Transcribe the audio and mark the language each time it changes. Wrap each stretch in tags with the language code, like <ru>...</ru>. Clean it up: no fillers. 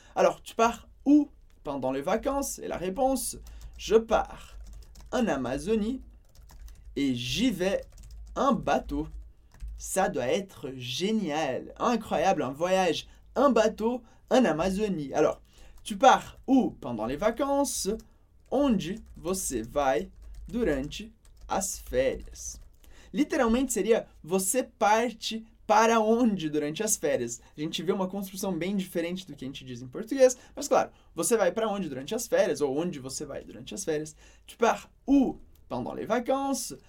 <fr>Alors, tu pars où pendant les vacances? Et la réponse, je pars en Amazonie et j'y vais en bateau. Ça doit être génial, incroyable, un voyage en bateau en Amazonie. Alors, tu pars où pendant les vacances?</fr> <pt>Onde você vai durante as férias? Literalmente seria, você parte para onde durante as férias? A gente vê uma construção bem diferente do que a gente diz em português, mas claro, você vai para onde durante as férias, ou onde você vai durante as férias?</pt> <fr>Tu pars où pendant les vacances?</fr>